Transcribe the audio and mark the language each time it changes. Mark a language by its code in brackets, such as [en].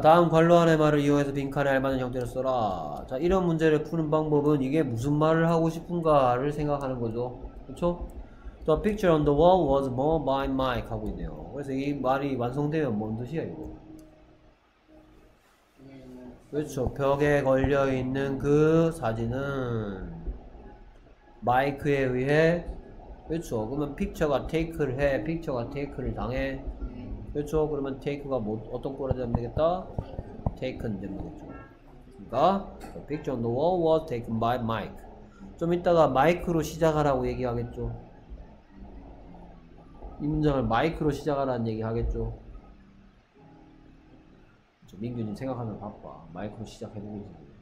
[ko] 다음 관로안의 말을 이용해서 빈칸에 알맞은 형태를 써라. 자, 이런 문제를 푸는 방법은 이게 무슨 말을 하고 싶은가를 생각하는 거죠. 그렇죠? [en] The picture on the wall was more by Mike [ko] 하고 있네요. 그래서 이 말이 완성되면 뭔 뜻이야 이거? 그렇죠. 벽에 걸려 있는 그 사진은 마이크에 의해 그렇죠. 그러면 picture가 take를 해, picture가 take를 당해. 그렇죠. 그러면 take가 뭐, 어떤 거라 되면 되겠다? taken 되면 되겠죠. 그러니까 [en] the picture on the wall was taken by Mike. [ko] 좀 이따가 마이크로 시작하라고 얘기하겠죠. 이 문장을 마이크로 시작하라는 얘기하겠죠. 그렇죠? 민규님 생각하면 바빠. 마이크로 시작해보고 있어.